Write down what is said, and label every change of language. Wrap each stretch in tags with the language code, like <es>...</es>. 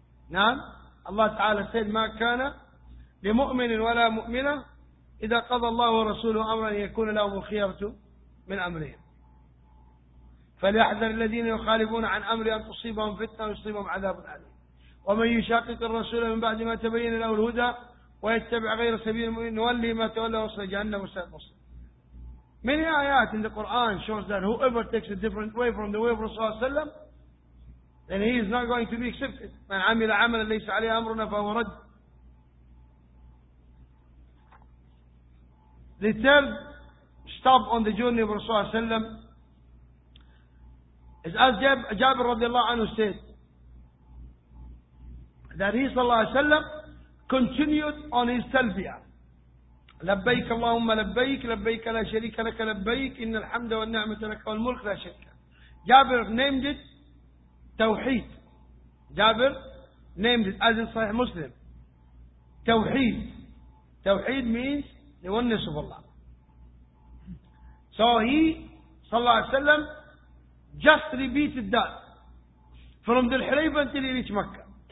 <en>Now, Allah Ta'ala said,</en> <ar>مَا كَانَ لِمُؤْمِنٍ وَلَا مُؤْمِنًا إِذَا قَضَى اللَّهُ وَرَسُولُهُ أَمْرًا يَكُونَ لَهُمُ الْخِيَرَةُ مِنْ أَمْرِهِمْ فَلْيَحْذَرِ الَّذِينَ يُخَالِفُونَ عَنْ أَمْرِ أَنْ تُصِيبَهُمْ فِتْنَةٌ وَيُصِيبَهُمْ عَذَابٌ أَلِيمٌ وَمَنْ يُشَاقِقِ الرَّسُولَ مِنْ بَعْدِ مَا تَبَيَّنَ لَهُ الْهُدَى ويتبع غير سبيل المؤمنين نولي ما تولى وصل جهنم وساءت مصير.</ar> <en>Many ayat in the Quran shows that whoever takes a different way from the way of Rasulullah sallam, then he is not going to be accepted.</en> <ar>من عمل عملا ليس عليه امرنا فهو رد.</ar> <en>The third stop on the journey of Rasulullah sallam is as Jabir</en> <ar>رضي الله عنه</ar> <en>said that he sallallahu alayhi wa sallam continued on his talbiyah.</en> <ar>لبيك اللهم لبيك لبيك لا شريك لك لبيك إن الحمد والنعمة لك والملك لا شريك.</ar> <en>Jabir named it توحيد. Jabir named it as in صحيح مسلم توحيد. توحيد means the oneness of Allah. So he</en> <ar>صلى الله عليه وسلم</ar> <en>just repeated that from the Hulayfa until he reached Mecca.</en>